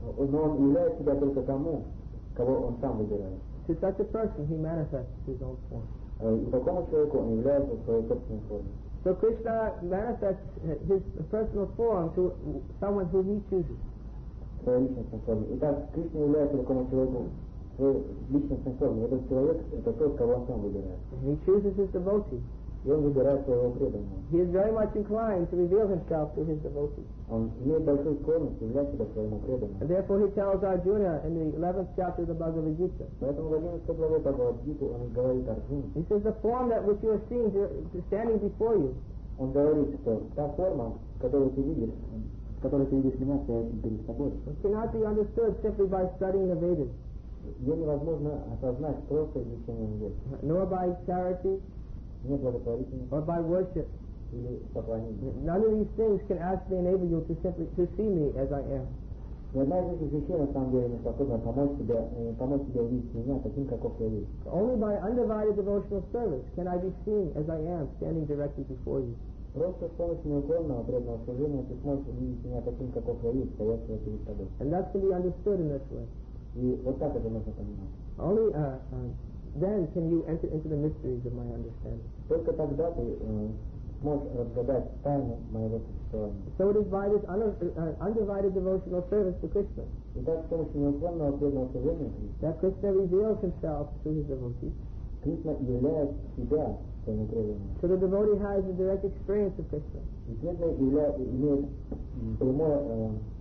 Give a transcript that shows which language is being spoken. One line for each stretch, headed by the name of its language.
Russian: Но он являет себя только тому, кого он сам выбирает.
English: To such a person he manifests his own form.
Russian: Такому человеку он является своей собственной формой.
English: So Krishna manifests his personal form to someone who he chooses.
Russian: Своей личностной формой. Итак, Кришна является такому человеку. Личностной формы. Этот человек — это тот, кого он сам выбирает.
English: He chooses his devotee.
Russian: И он выбирает своего преданного.
English: He is very much inclined to reveal himself to his devotee.
Russian: Он имеет большую склонность являть себя своему преданному.
English: And therefore he tells Arjuna in the 11th chapter of the Bhagavad Gita.
Russian: Поэтому в 11 главе Бхагавад Гиты он говорит Арджуне.
English: He says the form that which you are seeing standing before you.
Russian: Он говорит, что та форма, которую ты видишь, перед тобой,
English: cannot be understood simply by studying the Vedas.
Russian: Ее невозможно осознать просто изучением Вед.
English: Nor by charity,
Russian: нет благотворительности,
English: or by worship,
Russian: или поклонение.
English: None of these things can actually enable you to see me as I am.
Russian: Ни одна из этих вещей на самом деле не способна помочь тебе увидеть меня таким, каков я есть.
English: Only by undivided devotional service can I be seen as I am, standing directly before you.
Russian: Просто с помощью неуклонного преданного служения ты сможешь увидеть меня таким, каков я есть, стоящего перед тобой.
English: And that can be understood in this way.
Russian: И вот так это можно понимать.
English: Only then can you enter into the mysteries of my understanding.
Russian: Только тогда ты сможешь разгадать тайну моего существования.
English: So it is by this undivided devotional service to Krishna.
Russian: И так с помощью неуклонного преданного служения Кришне.
English: That Krishna reveals himself to his devotees.
Russian: Кришна являет себя своему преданному.
English: So the devotee has a direct experience of Krishna.
Russian: И преданный имеет прямое